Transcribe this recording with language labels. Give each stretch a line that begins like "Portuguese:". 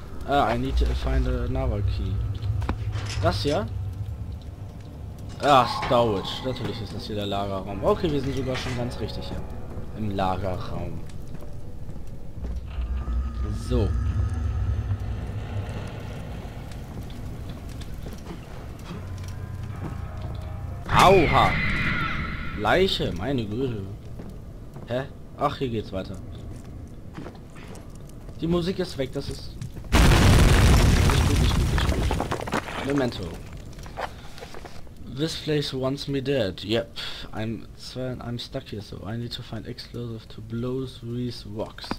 English: I need to find a naval key.
German: Das hier? Ah, Stowage. Natürlich ist das hier der Lagerraum. Okay, wir sind sogar schon ganz richtig hier. Im Lagerraum. So. Auha! Leiche, meine Güte. Hä? Ach, hier geht's weiter. Die Musik ist weg, das ist... Nicht gut, nicht gut, nicht gut.
English: Memento. This place wants me dead. Yep, I'm stuck here, so I need to find explosive to blow these rocks.